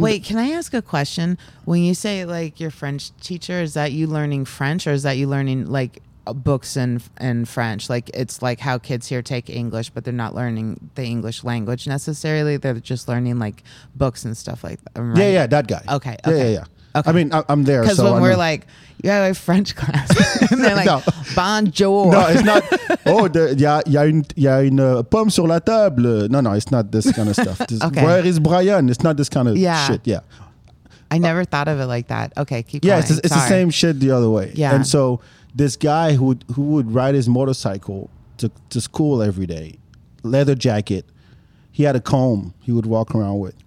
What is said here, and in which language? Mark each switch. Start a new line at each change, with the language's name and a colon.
English: Wait, can I ask a question? When you say like your French teacher, is that you learning French or is that you learning like books in French? Like it's like how kids here take English, but they're not learning the English language necessarily. They're just learning like books and stuff like that. Right? Yeah. That guy. Okay. Yeah. Okay. I mean, I'm there. Because when I'm we're like, you have a French class. And they're like, bonjour. No, it's not.
French: Oh, y a une pomme sur la table.
English: No, it's not this kind of stuff. Okay. Where is Brian? It's not this kind of shit. Yeah. I never thought of it like that. Okay, keep going. Yeah, it's the same shit the other way. Yeah. And so this guy who would ride his motorcycle to school every day, leather jacket, he had a comb he would walk around with.